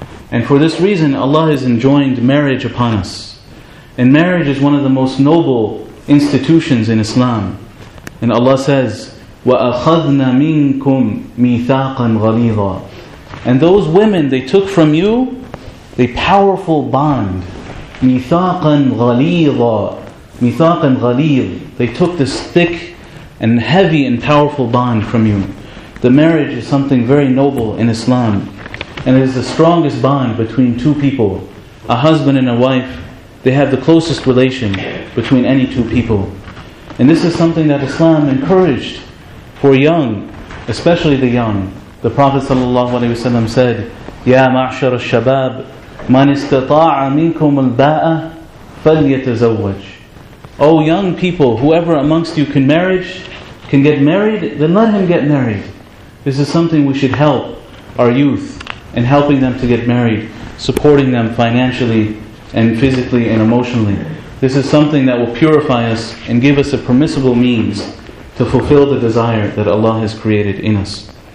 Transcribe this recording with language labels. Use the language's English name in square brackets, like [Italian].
[English] And for this reason, Allah has enjoined marriage upon us. And marriage is one of the most noble institutions in Islam. And Allah says, [Arabic] وَأَخَذْنَا مِنْكُمْ مِيثَاقًا غَلِيظًا. [English] And those women, they took from you a powerful bond. [Arabic] مِيثَاقًا غَلِيظًا. مِيثَاقًا غَلِيظًا. [English] They took this thick and heavy and powerful bond from you. The marriage is something very noble in Islam. And it is the strongest bond between two people. A husband and a wife, they have the closest relation between any two people. And this is something that Islam encouraged for young, especially the young. The Prophet ﷺ said, [Arabic] يَا مَعْشَرَ الشَّبَابِ مَنْ اسْتَطَاعَ مِنْكُمْ الْبَاءَ فَلْيَتَزَوَّجْ. [English] O young people, whoever amongst you can get married, then let him get married. This is something we should help our youth in helping them to get married, supporting them financially and physically and emotionally. This is something that will purify us and give us a permissible means to fulfill the desire that Allah has created in us.